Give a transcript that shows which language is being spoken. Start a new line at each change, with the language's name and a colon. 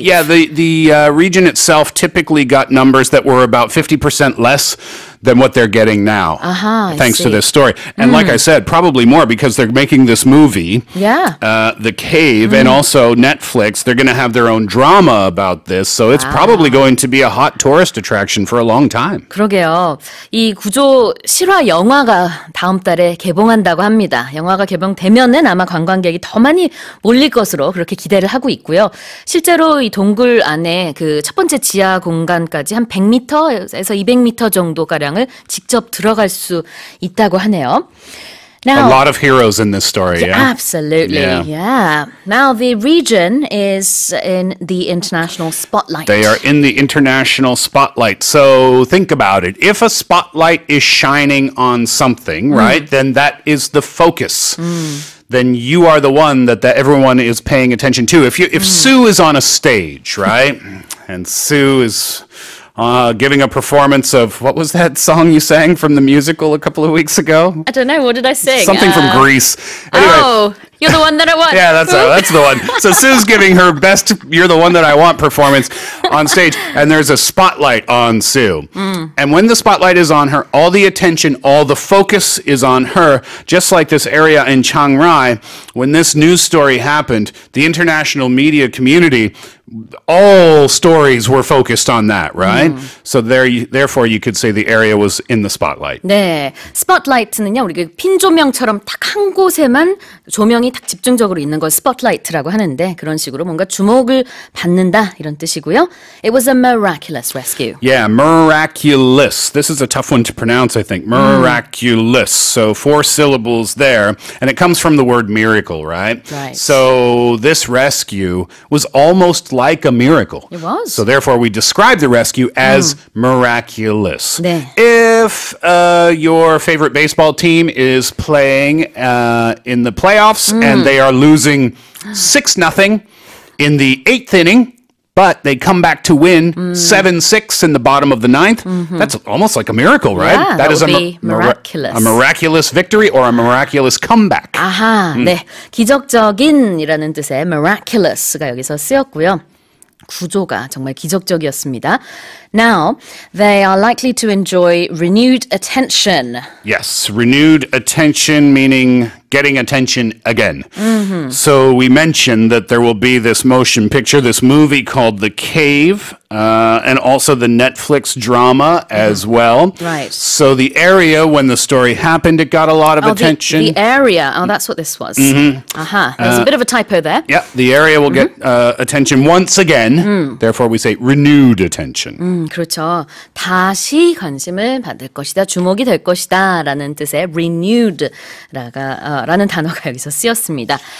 English: Yeah, the region itself typically got numbers that were about 50% less than what they're getting now, thanks to this story. And like I said, probably more because they're making this movie, The Cave, and also Netflix. They're going to have their own drama about this, so it's probably going to be a hot tourist attraction for a long time.
Korean: 그러게요. 이 구조 실화 영화가 다음 달에 개봉한다고 합니다. 영화가 개봉되면은 아마 관광객이 더 많이 몰릴 것으로 그렇게 기대를 하고 있고요. 실제로 이 동굴 안에 그 첫 번째 지하 공간까지 한 100m에서 200m 정도가 직접 들어갈 수 있다고 하네요.
English: Now, a lot of heroes in this story. Yeah, absolutely. Yeah. Now the region is in the international spotlight. They are in the international spotlight. So think about it. If a spotlight is shining on something, right, then that is the focus. Then you are the one that everyone is paying attention to. If Sue is on a stage, right, and Sue is giving a performance of, what was that song you sang from the musical a couple of weeks ago? I don't know, what did I sing? Something from Greece. Anyway. Oh, You're the One That I Want. Yeah, that's the one. So Sue's giving her best You're the One That I Want performance on stage, and there's a spotlight on Sue. And when the spotlight is on her, all the attention, all the focus is on her, just like this area in Chiang Rai. When this news story happened, the international media community, all stories were focused on that, right? So therefore you could say the area was in the spotlight.
Korean: 네. 스팟라이트는요, 우리 그 핀 조명처럼 딱 한 곳에만 조명이 딱 집중적으로 있는 걸 스팟라이트라고 하는데 그런 식으로 뭔가 주목을 받는다 이런 뜻이고요.
English: It was a miraculous rescue. Yeah, miraculous. This is a tough one to pronounce, I think. Miraculous. So four syllables there, and it comes from the word miracle, right? Right. So this rescue was almost like a miracle. It was. So therefore we describe the rescue as miraculous.
Korean: 네.
English: If your favorite baseball team is playing in the playoffs and they are losing 6-0 in the 8th inning, but they come back to win 7-6 in the bottom of the 9th, that's almost like a miracle, right? Yeah, that is would a miraculous. A miraculous victory or a miraculous comeback.
Korean: 아하, 네. 기적적인이라는 뜻의 miraculous가 여기서 쓰였고요. 구조가 정말 기적적이었습니다.
English: Now, they are likely to enjoy renewed attention. Yes, renewed attention meaning getting attention again. Mm-hmm. So we mentioned that there will be this motion picture, this movie called The Cave, and also the Netflix drama as well. Right. So the area, when the story happened, it got a lot of attention. The area. Oh, that's what this was. Mm-hmm. Uh-huh. There's a bit of a typo there. Yeah, the area will get attention once again. Mm. Therefore, we say renewed attention.
Korean: 그렇죠. 다시 관심을 받을 것이다, 주목이 될 것이다 라는 뜻의 renewed 라는 단어가 여기서 쓰였습니다.